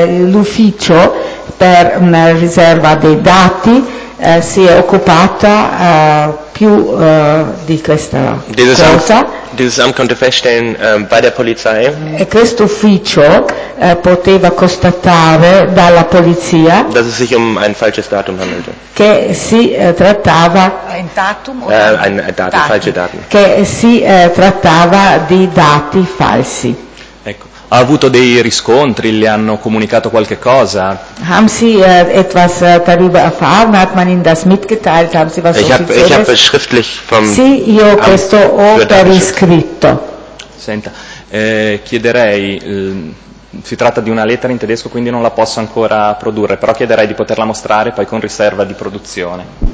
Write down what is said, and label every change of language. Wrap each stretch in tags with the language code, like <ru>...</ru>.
<it>L'ufficio per una riserva dei dati si è occupata più di questa</it> <de>dieses</de> <it>cosa.</it> <de>Dieses Amt konnte feststellen bei der Polizei.</de> <it>E questo ufficio poteva constatare dalla polizia,</it> <de>dass es sich um ein falsches Datum handelte.</de> <it>Che si trattava</it> <de>ein Datum Datum, falsche Daten.</de> <it>Che si trattava di dati falsi. Ecco, ha avuto dei riscontri, le hanno comunicato qualche cosa?</it> <de>Haben Sie etwas darüber erfahren? Hat man Ihnen das mitgeteilt? Haben Sie was offizielles? Ich habe schriftlich vom</de> <it>Sì, io questo ho per iscritto. Senta, chiederei si tratta di una lettera in tedesco, quindi non la posso ancora produrre, però chiederei di poterla mostrare poi con riserva di produzione.</it>